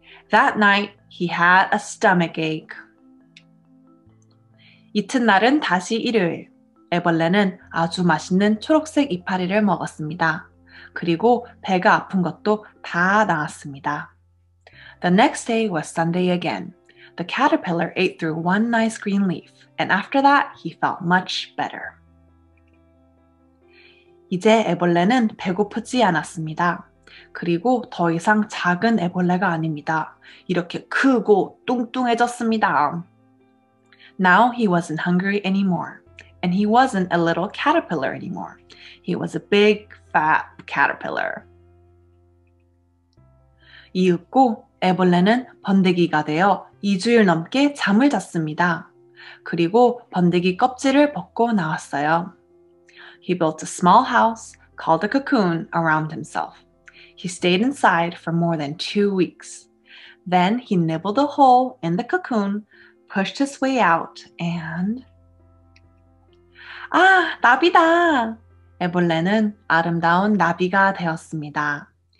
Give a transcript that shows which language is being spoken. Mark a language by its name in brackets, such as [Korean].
[English] That night, he had a stomach ache. [Korean] 이튿날은 다시 일요일. 애벌레는 아주 맛있는 초록색 이파리를 먹었습니다. 그리고 배가 아픈 것도 다 나았습니다. [English] The next day was Sunday again. The caterpillar ate through one nice green leaf, and after that, he felt much better. [Korean] 이제 애벌레는 배고프지 않았습니다. 그리고 더 이상 작은 애벌레가 아닙니다. 이렇게 크고 뚱뚱해졌습니다. [English] Now he wasn't hungry anymore, and he wasn't a little caterpillar anymore. He was a big, fat caterpillar. [Korean] 이윽고 애벌레는 번데기가 되어 2주일 넘게 잠을 잤습니다. 그리고 번데기 껍질을 벗고 나왔어요. [English] He built a small house called a cocoon around himself. He stayed inside for more than 2 weeks. Then he nibbled a hole in the cocoon, pushed his way out, and... [Korean] 아, 나비다! 애벌레는 아름다운 나비가 되었습니다.